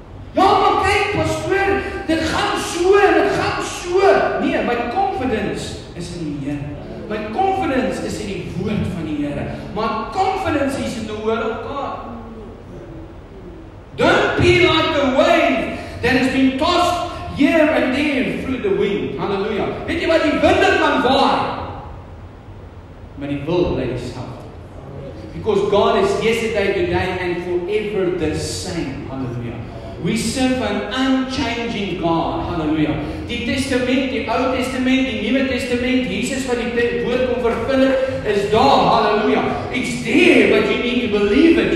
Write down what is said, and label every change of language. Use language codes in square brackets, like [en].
[af] Ja, maar kyk, pastoor, dit gaan so, nee, my confidence is in die Here. My confidence is in die woord van die Here. [en] My confidence is in the word of God. Don't be like the wave that has been tossed here and there through the wind. Hallelujah. [af] Weet jy wat die winde kan waai? Maar die wil bly dieselfde. [en] Because God is yesterday, today and forever the same. Hallelujah. We serve an unchanging God. Hallelujah. [af] Die testament, die Ou Testament, die Nuwe Testament, Jesus wat die woord kom vervul, is daar. Hallelujah. [en] It's there, but you need to believe it.